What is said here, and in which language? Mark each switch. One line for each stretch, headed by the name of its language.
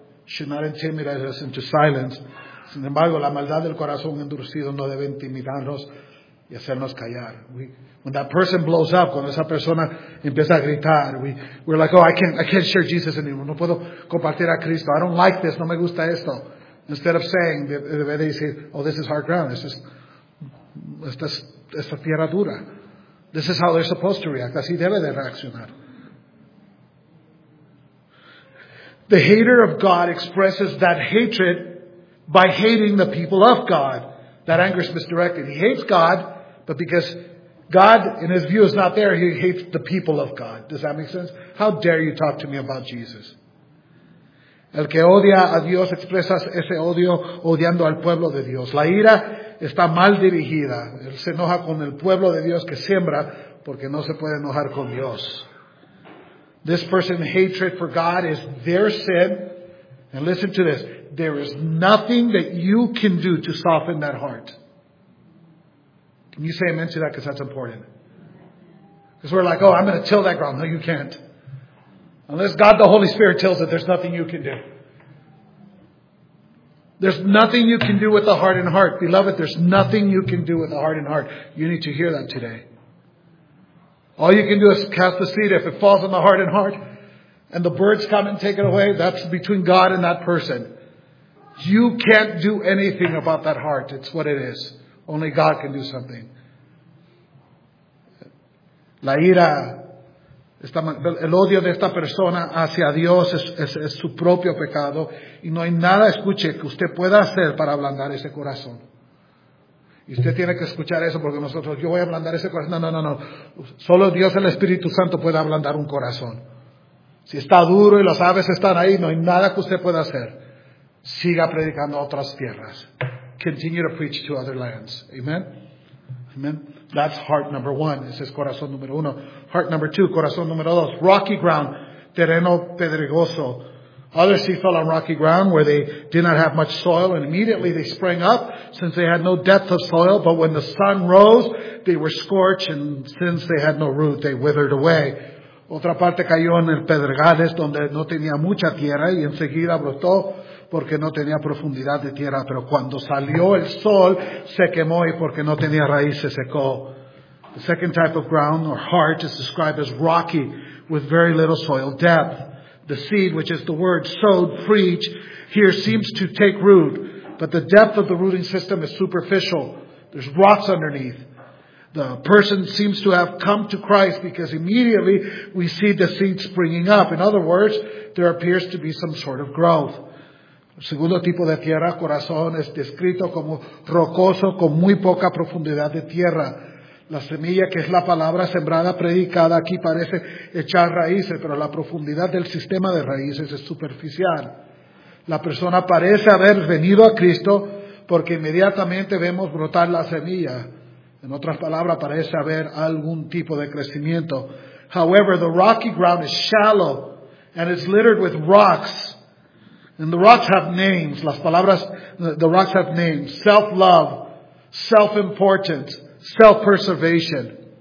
English: should not intimidate us into silence.
Spanish: Sin embargo, la maldad del corazón endurecido no debe intimidarnos y hacernos callar.
English: When that person blows up,
Spanish: cuando esa persona empieza a gritar,
English: we're like, oh, I can't share Jesus anymore.
Spanish: No puedo compartir a Cristo.
English: I don't like this.
Spanish: No me gusta esto.
English: Instead of saying,
Spanish: debe decir,
English: oh, this is hard ground.
Spanish: Esta tierra dura.
English: This is how they're supposed to react.
Spanish: Así debe de reaccionar.
English: The hater of God expresses that hatred by hating the people of God. That anger is misdirected. He hates God, but because God, in his view, is not there, he hates the people of God. Does that make sense? How dare you talk to me about Jesus?
Spanish: El que odia a Dios expresa ese odio odiando al pueblo de Dios. La ira está mal dirigida. Él se enoja con el pueblo de Dios que siembra porque no se puede enojar con Dios.
English: This person's hatred for God is their sin. And listen to this. There is nothing that you can do to soften that heart. Can you say amen to that? Because that's important. Because we're like, oh, I'm going to till that ground. No, you can't. Unless God the Holy Spirit tills it, there's nothing you can do. There's nothing you can do with a hardened heart. Beloved, there's nothing you can do with a hardened heart. You need to hear that today. All you can do is cast the seed. If it falls on the hardened heart and the birds come and take it away, that's between God and that person. You can't do anything about that heart. It's what it is. Only God can do something.
Spanish: La ira, el odio de esta persona hacia Dios es su propio pecado. Y no hay nada, escuche, que usted pueda hacer para ablandar ese corazón. Y usted tiene que escuchar eso porque nosotros, yo voy a ablandar ese corazón. No. Solo Dios, el Espíritu Santo, puede ablandar un corazón. Si está duro y las aves están ahí, no hay nada que usted pueda hacer. Siga predicando a otras tierras.
English: Continue to preach to other lands. Amen? Amen? That's heart number one.
Spanish: Ese es corazón número uno.
English: Heart number two,
Spanish: corazón número dos.
English: Rocky ground,
Spanish: terreno pedregoso.
English: Others, he fell on rocky ground where they did not have much soil, and immediately they sprang up since they had no depth of soil. But when the sun rose, they were scorched, and since they had no root, they withered away.
Spanish: Otra parte cayó en el pedregales donde no tenía mucha tierra y enseguida brotó porque no tenía profundidad de tierra. Pero cuando salió el sol, se quemó y porque no tenía raíz, se secó.
English: The second type of ground or heart is described as rocky with very little soil depth. The seed, which is the word sowed, preached, here seems to take root, but the depth of the rooting system is superficial. There's rocks underneath. The person seems to have come to Christ because immediately we see the seed springing up. In other words, there appears to be some sort of growth.
Spanish: El segundo tipo de tierra, corazón, es descrito como rocoso con muy poca profundidad de tierra. La semilla, que es la palabra sembrada, predicada, aquí parece echar raíces, pero la profundidad del sistema de raíces es superficial. La persona parece haber venido a Cristo porque inmediatamente vemos brotar la semilla. En otras palabras, parece haber algún tipo de crecimiento.
English: However, the rocky ground is shallow and it's littered with rocks. And the rocks have names.
Spanish: Las palabras,
English: the rocks have names. Self-love, self-importance, self-preservation.